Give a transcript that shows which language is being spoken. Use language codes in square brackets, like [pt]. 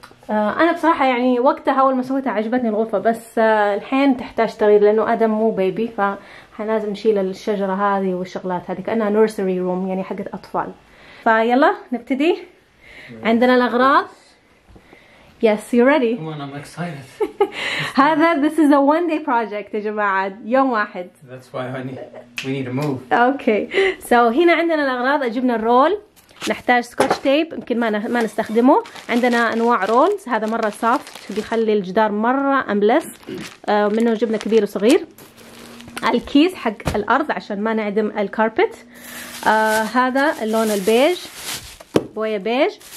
[ar] أنا بصراحة يعني وقتها أول ما سويتها عجبتني الغرفة، بس الحين تحتاج تغيير لأنه آدم مو بيبي، فحنازم نشيل الشجرة هذه والشغلات هذه كأنها نورسري روم يعني حقت أطفال. فيلا نبتدي، عندنا الأغراض. [en] Yes, you ready? Come on, I'm excited. [ar] هذا [en] this is a one day project [ar] يا جماعة، يوم واحد. [en] That's why we need to move. Okay. So [ar] هنا عندنا الأغراض، جبنا الرول، نحتاج سكوتش تيب يمكن ما نستخدمه، عندنا أنواع رولز، هذا مرة سافت بيخلي الجدار مرة أملس، منه جبنا كبير وصغير. الكيس حق الأرض عشان ما نعدم الكاربت، هذا اللون البيج، بويا بيج.